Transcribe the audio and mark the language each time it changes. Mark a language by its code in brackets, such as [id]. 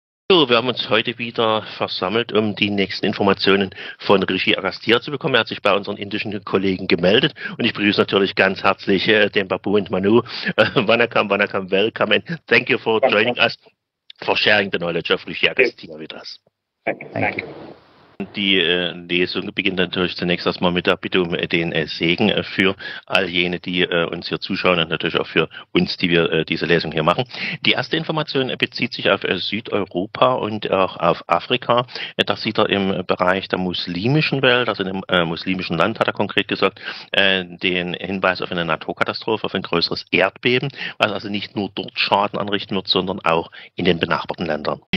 [de] Wir haben uns heute wieder versammelt, um die nächsten Informationen von Rishi Agastya zu bekommen. Er hat sich bei unseren indischen Kollegen gemeldet und ich begrüße natürlich ganz herzlich den Babu und Manu. [en] Vanakkam, welcome and thank you for joining us for sharing the knowledge of Rishi Agastya with us. Thank you. [de] Die Lesung beginnt natürlich zunächst erstmal mit der Bitte um den Segen für all jene, die uns hier zuschauen und natürlich auch für uns, die wir diese Lesung hier machen. Die erste Information bezieht sich auf Südeuropa und auch auf Afrika. Das sieht er im Bereich der muslimischen Welt, also im muslimischen Land, hat er konkret gesagt, den Hinweis auf eine Naturkatastrophe, auf ein größeres Erdbeben, was also nicht nur dort Schaden anrichten wird, sondern auch in den benachbarten Ländern.